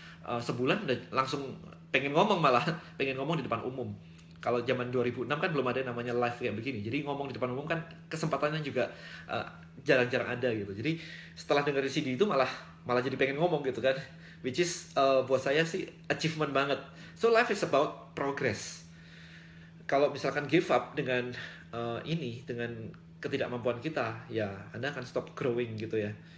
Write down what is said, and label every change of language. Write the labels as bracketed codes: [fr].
[id] Sebulan udah langsung pengen ngomong di depan umum. Kalau zaman 2006 kan belum ada namanya live kayak begini. Jadi ngomong di depan umum kan kesempatannya juga jarang-jarang ada gitu. Jadi setelah dengerin CD itu malah jadi pengen ngomong gitu kan. [en] Which is [id] buat saya sih achievement banget. [en] So life is about progress. [id] Kalau misalkan [en] give up [id] dengan ini, dengan ketidakmampuan kita, ya Anda akan [en] stop growing [id] gitu ya.